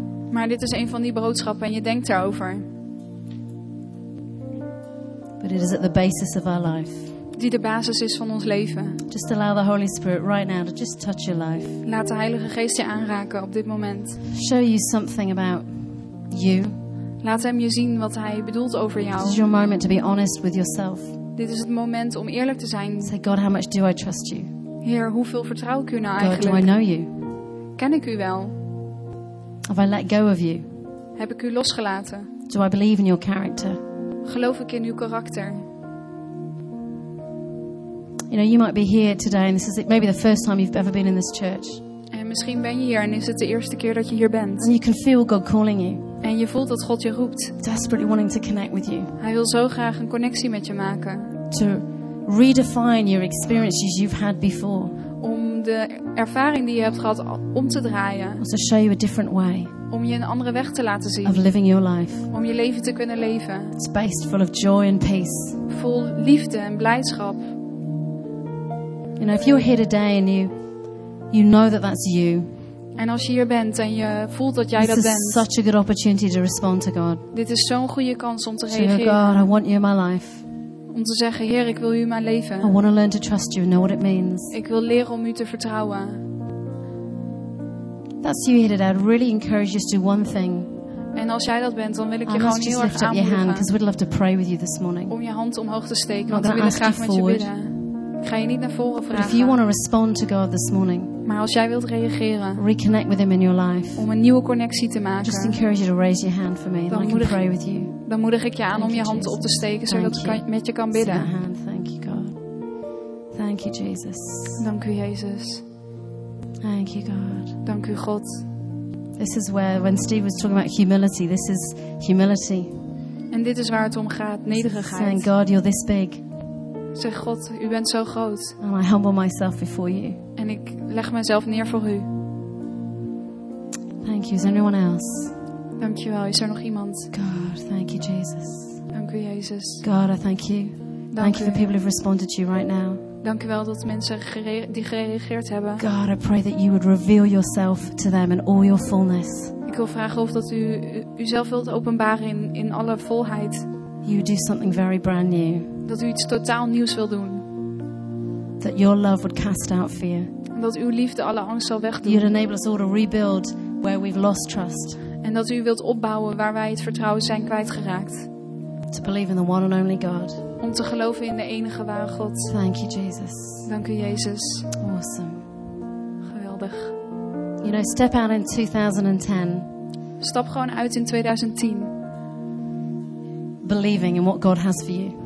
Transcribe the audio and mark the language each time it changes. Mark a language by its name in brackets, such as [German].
[Dutch] Maar dit is een van die boodschappen en je denkt erover. [English] But it is at the basis of our life. [Dutch] Die de basis is van ons leven. [English] Just allow the Holy Spirit right now to just touch your life. [Dutch] Laat de Heilige Geest je aanraken op dit moment. [English] Show you something about you. [Dutch] Laat hem je zien wat hij bedoelt over jou. [English] This is your moment to be honest with yourself. [Dutch] Dit is het moment om eerlijk te zijn. [English] Say, God, how much do I trust you? [Dutch] Heer, hoeveel vertrouw ik u nou eigenlijk? [English] God, do I know you? [Dutch] Ken ik u wel? [English] Have I let go of you? [Dutch] Heb ik u losgelaten? [English] Do I believe in your character? [Dutch] Geloof ik in uw karakter? [English] You know, you might be here today, and this is maybe the first time you've ever been in this church. [Dutch] En misschien ben je hier, en is het de eerste keer dat je hier bent. [English] And you can feel God calling you. [Dutch] En je voelt dat God je roept. [English] Desperately wanting to connect with you. [Dutch] Hij wil zo graag een connectie met je maken. [English] To redefine your experiences you've had before. [Dutch] Om de ervaring die je hebt gehad om te draaien. [English] To show you a different way. [Dutch] Om je een andere weg te laten zien. [English] Of living your life. [Dutch] Om je leven te kunnen leven. [English] It's based full of joy and peace. [Dutch] Vol liefde en blijdschap. [English] You know, if you're here today and you know that that's you. [Dutch] En als je hier bent en je voelt dat jij [English] this [Dutch] dat bent. [English] This is such a good opportunity to respond to God. [Dutch] Dit is zo'n goede kans om te reageren. [English] Say, God, I want you in my life. [Dutch] Om te zeggen, Heer, ik wil u in mijn leven. [English] I want to learn to trust you and know what it means. [Dutch] Ik wil leren om u te vertrouwen. [English] That's you here today. I'd really encourage you to do one thing. [Dutch] En als jij dat bent, dan wil ik je [English] I [Dutch] gewoon heel erg aanmoedigen. [English] Because we'd love to pray with you this morning. [Dutch] Om je hand omhoog te steken, want we willen graag met [English] forward. [Dutch] Je bidden. Ik ga je niet naar voren vragen. [English] But if you want to respond to God this morning, [Dutch] maar als jij wilt reageren, [English] reconnect with him in your life, [Dutch] om een nieuwe connectie te maken, [English] just encourage you to raise your hand for me, and I can pray with you. [Dutch] Dan moedig ik je aan om je hand op te steken, zodat ik met je kan bidden. [English] See my hand. Thank you, God. Thank you, Jesus. [Dutch] Dank u, Jezus. [English] Thank you, God. [Dutch] Dank u, God. [English] This is where, when Steve was talking about humility, this is humility. [Dutch] En dit is waar het om gaat, nederigheid. [English] Saying, God, you're this big. [Dutch] Zeg God, u bent zo groot. [English] And I humble myself before you. [Dutch] En ik leg mezelf neer voor u. [English] Thank you. Is there anyone else? [Dutch] Dankjewel. Is er nog iemand? [English] God, thank you, Jesus. [Dutch] Dank u, Jezus. [English] God, I thank you. Thank you for people who've responded to you right now. [Dutch] Dank u wel dat mensen die gereageerd hebben. [English] God, I pray that you would reveal yourself to them in all your fullness. [Dutch] Ik wil vragen of dat u uzelf wilt openbaren in alle volheid. [English] You do something very brand new. [Dutch] Dat u iets totaal nieuws wil doen. [English] That your love would cast out fear. [Dutch] Dat uw liefde alle angst zal wegdoen. [English] You'd enable us all to rebuild where we've lost trust. [Dutch] En dat u wilt opbouwen waar wij het vertrouwen zijn kwijtgeraakt. [English] To believe in the one and only God. [Dutch] Om te geloven in de enige ware God. [English] Thank you, Jesus. [Dutch] Dank u, Jezus. [English] Awesome. [Dutch] Geweldig. [English] You know, step out in 2010. [Dutch] Stap gewoon uit in 2010. [English] Believing in what God has for you.